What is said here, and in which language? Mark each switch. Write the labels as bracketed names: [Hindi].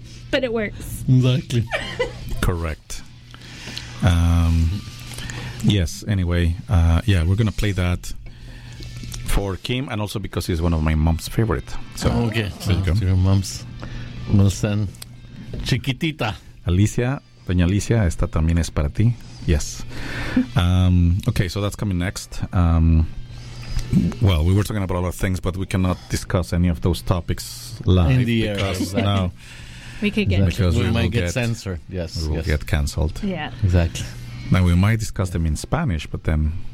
[English] But it works. Exactly. Correct. Yes, anyway. We're going to play that for Kim, and also because he's one of my mom's favorite. So okay, so to your mom's. We'll send Chiquitita. [Spanish] Alicia, Doña Alicia, esta también es para ti. [English] Yes. Okay, so that's coming next. Well, we were talking about a lot of things, but we cannot discuss any of those topics live. In the air, exactly. No. We could get exactly. We might get censored. Yes, we will get cancelled. Yeah, exactly. Now, we might discuss them in Spanish, but then...